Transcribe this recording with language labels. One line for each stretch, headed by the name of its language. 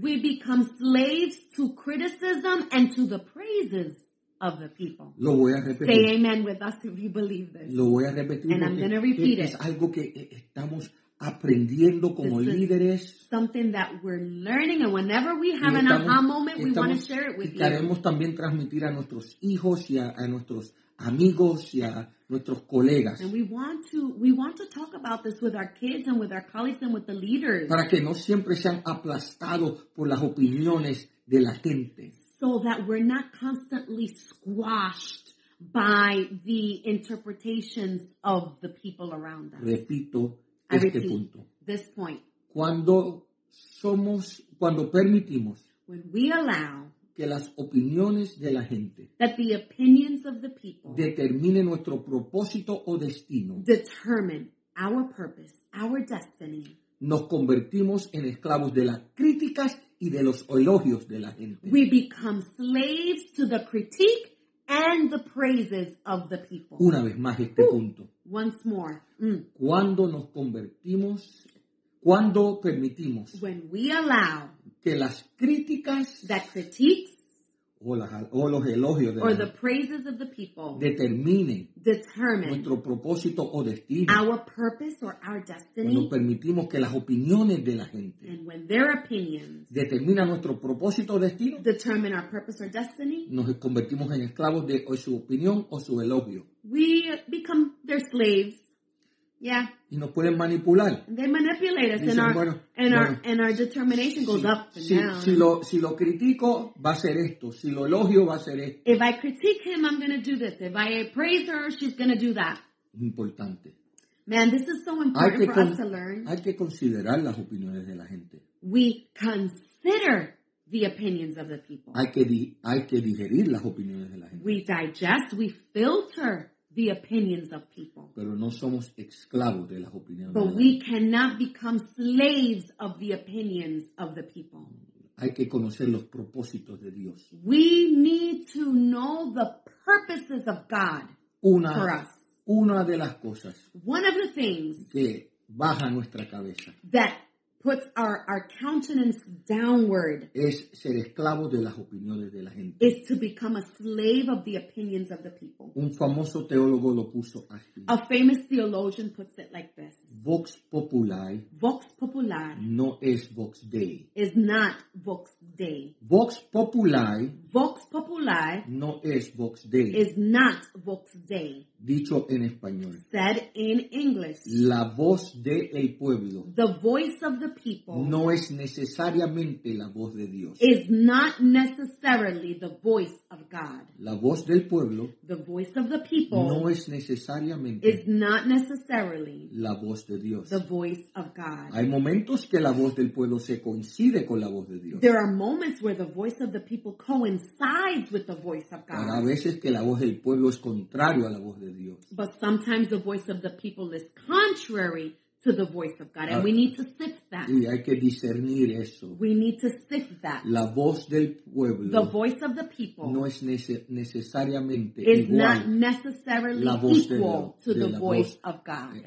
English: We become slaves to criticism and to the praises of the people.
Spanish: Lo voy a repetir.
English: Say amen with us if you believe this.
Spanish: Lo voy a repetir.
English: And I'm going to repeat
Spanish: it. Es algo que estamos aprendiendo como líderes.
English: Something that we're learning, and whenever we have an aha moment, we want to share it with you.
Spanish: Y queremos también transmitir a nuestros hijos y a nuestros amigos y a nuestros colegas.
English: And we want to talk about this with our kids and with our colleagues and with the leaders.
Spanish: Para que no siempre sean aplastados por las opiniones de la gente.
English: So that we're not constantly squashed by the interpretations of the people around us.
Spanish: Repito.
English: This point.
Spanish: Cuando permitimos.
English: When we allow.
Spanish: Que las opiniones de la gente.
English: That the opinions of the people.
Spanish: Determine nuestro propósito o destino.
English: Determine our purpose, our destiny.
Spanish: Nos convertimos en esclavos de las críticas y de los elogios de la gente.
English: We become slaves to the critique and the praises of the people.
Spanish: Una vez más este punto.
English: Once more.
Spanish: Cuando nos convertimos, cuando permitimos.
English: When we allow.
Spanish: Que las críticas.
English: That critiques.
Spanish: O los elogios de
English: or the praises of the people.
Spanish: Determine. Nuestro propósito o destino.
English: Our purpose or our destiny.
Spanish: Cuando permitimos que las opiniones de la gente.
English: And when their opinions.
Spanish: Determina nuestro propósito o destino.
English: Determine our purpose or destiny.
Spanish: Nos convertimos en esclavos de su opinión o su elogio.
English: We become their slaves. Yeah.
Spanish: Y nos pueden manipular.
English: They manipulate us.
Spanish: Dicen,
English: and our determination goes up and down.
Spanish: Si lo critico, va a ser esto. Si lo elogio, va a ser esto.
English: If I critique him, I'm going to do this. If I praise her, she's going to do that.
Spanish: Importante.
English: Man, this is so important for us to learn.
Spanish: Hay que considerar las opiniones de la gente.
English: We consider the opinions of the people.
Spanish: Hay que digerir las opiniones de la gente.
English: We digest, we filter the opinions of people.
Spanish: Pero no somos esclavos de las opiniones.
English: But we cannot become slaves of the opinions of the people.
Spanish: Hay que conocer los propósitos de Dios.
English: We need to know the purposes of God for us.
Spanish: Una de las cosas.
English: One of the things.
Spanish: Que baja nuestra cabeza.
English: That puts our countenance downward.
Spanish: Es ser esclavo de las opiniones de la gente.
English: Is to become a slave of the opinions of the people.
Spanish: Un famoso teólogo lo puso así.
English: A famous theologian puts it like this.
Latin: Vox populi. Vox populi.
Spanish: No es
Latin: vox dei.
English: Is not
Latin: vox dei. Vox populi. Vox populi.
Spanish: No es
Latin: vox dei.
English: Is not
Latin: vox dei.
Spanish: Dicho en español.
English: Said in English.
Spanish: La voz de el pueblo.
English: The voice of the people.
Spanish: No es necesariamente la voz de Dios.
English: Is not necessarily the voice of God.
Spanish: La voz del pueblo.
English: The voice of the people.
Spanish: No es necesariamente.
English: Is not necessarily.
Spanish: La voz de Dios.
English: The voice of God.
Spanish: Hay momentos que la voz del pueblo se coincide con la voz de Dios.
English: There are moments where the voice of the people coincides with the voice of God.
Spanish: Pero a veces que la voz del pueblo es contrario a la voz de Dios.
English: But sometimes the voice of the people is contrary to the voice of God. And we need to sift that.
Spanish: Y hay que discernir eso.
English: We need to sift that.
Spanish: La voz del pueblo.
English: The voice of the people.
Spanish: No es necesariamente
English: is
Spanish: igual. Not necessarily la voz equal de la, to de the la voice voz. Of God.